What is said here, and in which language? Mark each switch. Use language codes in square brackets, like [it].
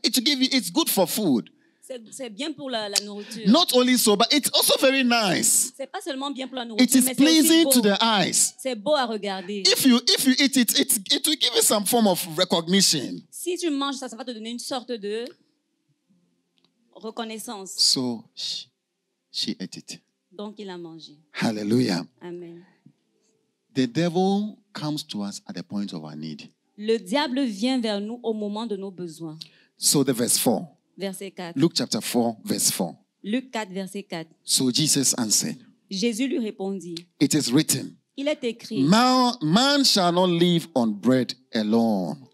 [en] It will give you, it's good for food. [fr] C'est bien pour la nourriture. [en] Not only so, but it's also very nice. [fr] C'est pas seulement bien pour la nourriture, [en] it is [fr] mais [en] pleasing [fr] c'est aussi beau. [en] To the eyes. [fr] C'est beau à regarder. [en] If you eat it, it will give you some form of recognition. [fr] Si tu manges ça, ça va te donner une sorte de reconnaissance. [en] So, she ate it. [fr] Donc, il a mangé. [en] Hallelujah. Amen. The devil comes to us at the point of our need. [fr] Le diable vient vers nous au moment de nos besoins. [en] So the verse 4. [fr] Verset 4. [en] Luke chapter 4, verse 4. [fr] Luc 4, verset 4. [en] So Jesus answered. [fr] Jésus lui répondit. [en] It is written. [fr] Il est écrit. [en] Man shall not live on bread alone.